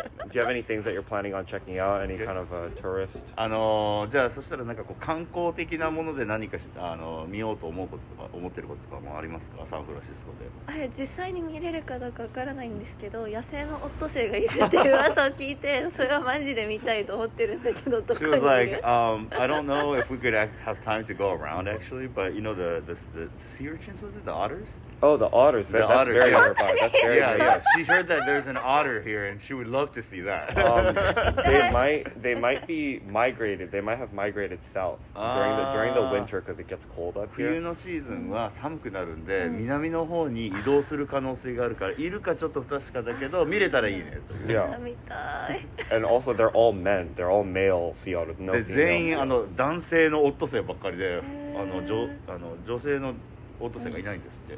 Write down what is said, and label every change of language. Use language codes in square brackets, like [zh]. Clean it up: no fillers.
[en] Do you have any things that you're planning on checking out? Any kind of a tourist? [ja] じゃあそしたらなんかこう観光的なもので何かし見ようと思うこととか思ってることとかもありますか、サンフランシスコで？実際に見れるかどうかわからないんですけど、野生のオットセイがいるっていう噂を聞いて、それはマジで見たいと思ってるんだけど、どこにいる？ [en] She was like, I don't know if we could have time to go around actually, but you know the sea urchins, was it the otters? Oh, the otters. That's very nearby. Yeah. She heard that there's an otter here, and she would love to see that. They might be migrated. They might have migrated south during the winter because it gets cold up here. [ja] 冬のシーズンは寒くなるんで、南の方に移動する可能性があるから、いるかちょっと不確かだけど、見れたらいいね。 [en] Yeah. [ja] 見たい。 [en] And also, they're all men. They're all male sea otters. No females. [ja] 全員男性のオットセイばっかりで、女性のオットセイがいないんですって。